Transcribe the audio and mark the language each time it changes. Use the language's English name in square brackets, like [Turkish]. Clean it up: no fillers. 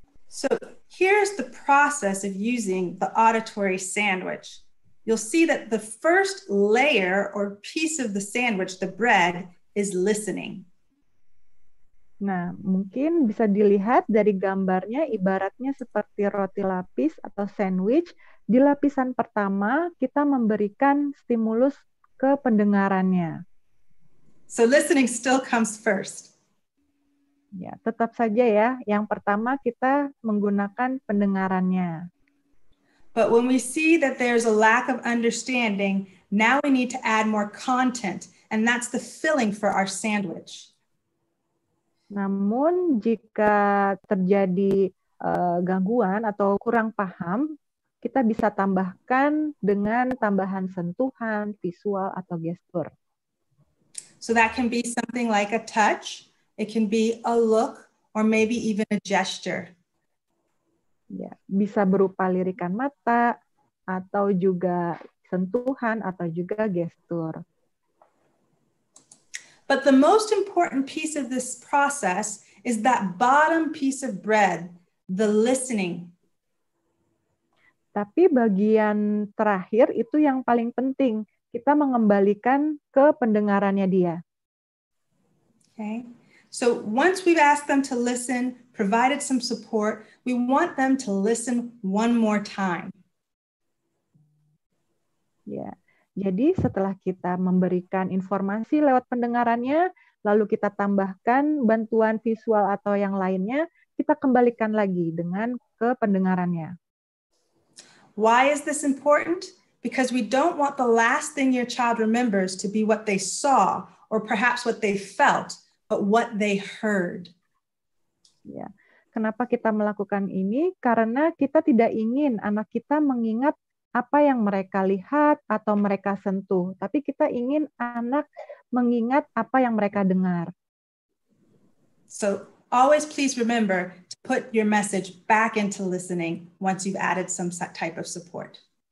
[English] So, here's the process of using the auditory sandwich. You'll see that the first layer or piece of the sandwich, the bread, is listening. [Indonesian] Nah, mungkin bisa dilihat dari gambarnya, ibaratnya seperti roti lapis atau sandwich. Di lapisan pertama, kita memberikan stimulus ke pendengarannya. [English] So listening still comes first. [Indonesian] Ya, tetap saja ya. Yang pertama kita menggunakan pendengarannya. [English] But when we see that there's a lack of understanding, now we need to add more content, and that's the filling for our sandwich. [Indonesian] Namun jika terjadi gangguan atau kurang paham, kita bisa tambahkan dengan tambahan sentuhan, visual, atau gestur. [English] So that can be something like a touch, it can be a look, or maybe even a gesture. [Indonesian] Ya, bisa berupa lirikan mata, atau juga sentuhan, atau juga gestur. [English] But the most important piece of this process is that bottom piece of bread, the listening. [Indonesian] Tapi bagian terakhir itu yang paling penting, kita mengembalikan ke pendengarannya dia. [English] Okay. So once we've asked them to listen, provided some support, we want them to listen one more time. Yeah. [Indonesian] Jadi setelah kita memberikan informasi lewat pendengarannya, lalu kita tambahkan bantuan visual atau yang lainnya, kita kembalikan lagi dengan ke pendengarannya. [English] Why is this important? Because we don't want the last thing your child remembers to be what they saw or perhaps what they felt, but what they heard. [Indonesian] Ya. Kenapa kita melakukan ini? Karena kita tidak ingin anak kita mengingat apa yang mereka lihat atau mereka sentuh, tapi kita ingin anak mengingat apa yang mereka dengar. [English] So, always please remember to put your message back into listening once you've added some type of support.